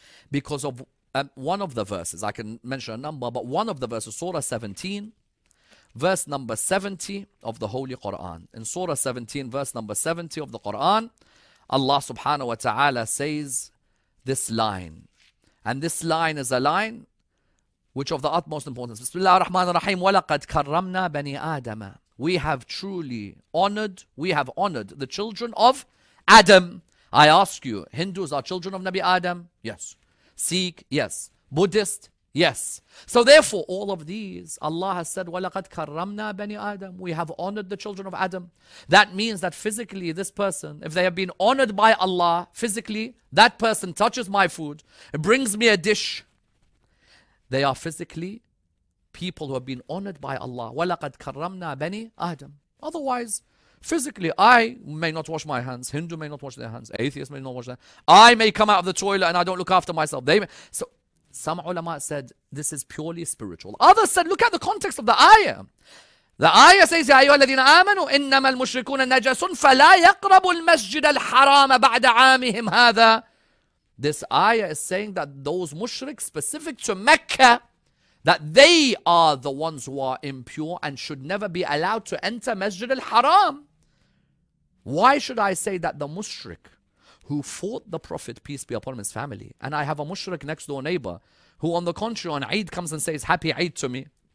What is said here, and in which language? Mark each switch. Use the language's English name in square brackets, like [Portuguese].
[English] Because of one of the verses, I can mention a number, but one of the verses, Surah 17, verse number 70 of the Holy Quran. In Surah 17, verse number 70 of the Quran, Allah subhanahu wa ta'ala says this line. And this line is a line which of the utmost importance. [Arabic] Bismillah ar-Rahman ar-Rahim, وَلَقَدْ كَرَّمْنَا بَنِي آدَمَ. [English] We have truly honored, we have honored the children of Adam. I ask you, Hindus are children of Nabi Adam? Yes. Sikh? Yes. Buddhist? Yes. So therefore, all of these, Allah has said, [Arabic] وَلَقَدْ كَرَّمْنَا بَنِي آدَمَ. [English] We have honored the children of Adam. That means that physically, this person, if they have been honored by Allah, physically, that person touches my food, brings me a dish, they are physically people who have been honored by Allah. [Arabic] وَلَقَدْ كَرَّمْنَا بَنِي آدَمَ. [English] Otherwise, physically, I may not wash my hands. Hindu may not wash their hands. Atheist may not wash their hands. I may come out of the toilet and I don't look after myself. They may. So some ulama said, this is purely spiritual. Others said, look at the context of the ayah. The ayah says, [Arabic] يَا أَيُّهَا الَّذِينَ آمَنُوا إِنَّمَا الْمُشْرِكُونَ نَجَسٌ فَلَا يَقْرَبُوا الْمَسْجِدَ الْحَرَامَ بَعْدَ عَامِهِمْ هَذَا. [English] This ayah is saying that those mushriks specific to Mecca, that they are the ones who are impure and should never be allowed to enter Masjid al-Haram. Why should I say that the mushrik who fought the Prophet, peace be upon his family, and I have a mushrik next door neighbor who on the contrary on Eid comes and says happy Eid to me.